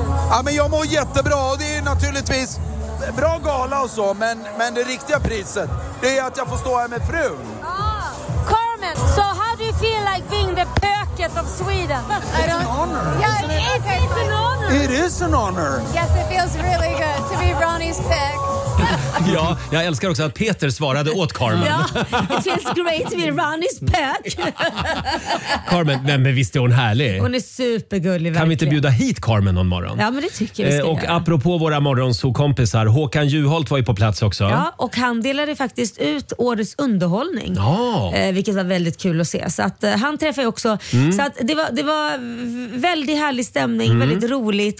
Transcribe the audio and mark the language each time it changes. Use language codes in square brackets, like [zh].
[sv] Ja, men jag mår jättebra och det är naturligtvis bra gala och så, men det riktiga priset, det är att jag får stå här med frun. [en] Carmen, so how do you feel like being the pöket of Sweden? It's an honor. Yeah, it's an honor. It is an honor. Yes, it feels really good to be Ronnie's pick. [sv] Ja, jag älskar också att Peter svarade åt Carmen. [en] Ja, it feels great to be Ronnie's pack. [sv] Carmen, men visst är hon härlig. Hon är supergullig, verkligen. Kan vi inte bjuda hit Carmen någon morgon? Ja, men det tycker vi ska. Och apropå våra morgonsokompisar, Håkan Juholt var ju på plats också. Ja, och han delade faktiskt ut årets underhållning. Ja. Vilket var väldigt kul att se. Så att han träffade också. Mm. Så att det var väldigt härlig stämning, väldigt roligt.